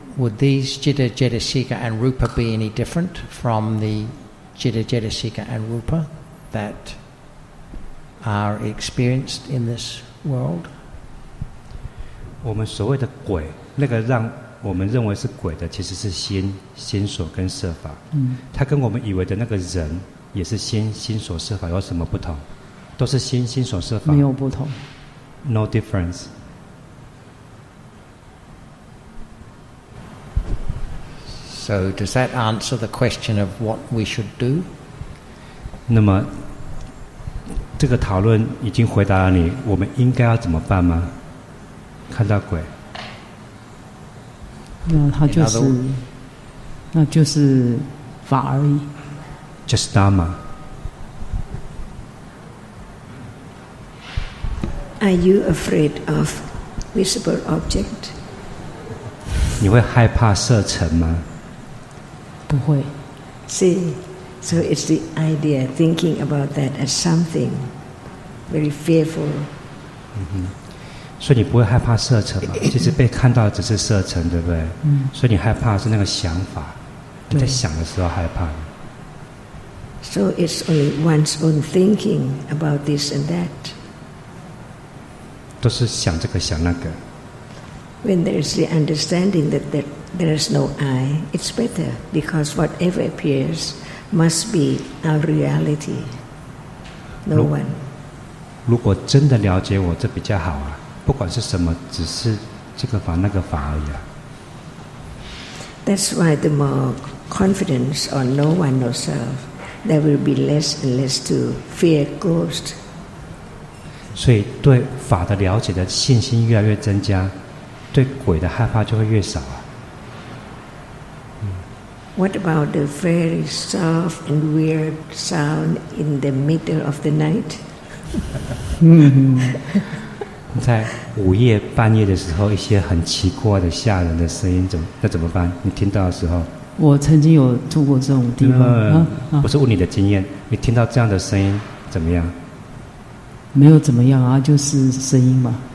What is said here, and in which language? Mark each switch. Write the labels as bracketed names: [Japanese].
[English] Would these jitta, jetasika, and rupa be any different from the jitta, jetasika, and rupa that are experienced in this world? [Chinese] 我们所谓的鬼，那个让我们认为是鬼的，其实是心、心所跟色法。它跟我们以为的那个人，也是心、心所、色法，有什么不同？都是心、心所、色法。没有不同。 [English] No difference. So does that answer the question of what we should do? [Chinese] 那么，这个讨论已经回答了你，我们应该要怎么办吗？看到鬼？那他就是，那就是法而已。 [English] Just dharma. Are you afraid of visible object? [Chinese] 你会害怕色尘吗？不会。 [English] See, so it's the idea thinking about that as something very fearful. [Chinese] 所以你不会害怕色尘吗？其实被看到的只是色尘，对不对？所以你害怕的是那个想法，你在想的时候害怕。 [English] So it's only one's own thinking about this and that. [Chinese] 都是想这个想那个。 [English] When there is the understanding that that. There is no I. It's better because whatever appears must be our reality. No one. [Chinese] 如果真的了解我，这比较好啊。不管是什么，只是这个法那个法而已啊。 [English] That's why the more confidence on no one, no self, there will be less and less to fear ghost. [Chinese] 所以对法的了解的信心越来越增加，对鬼的害怕就会越少啊。 [English] What about the very soft and weird sound in the middle of the night? [Chinese] 在午夜半夜的时候，一些很奇怪的吓人的声音，那怎么办？你听到的时候？我曾经有住过这种地方。不是问你的经验，你听到这样的声音怎么样？没有怎么样啊，就是声音嘛。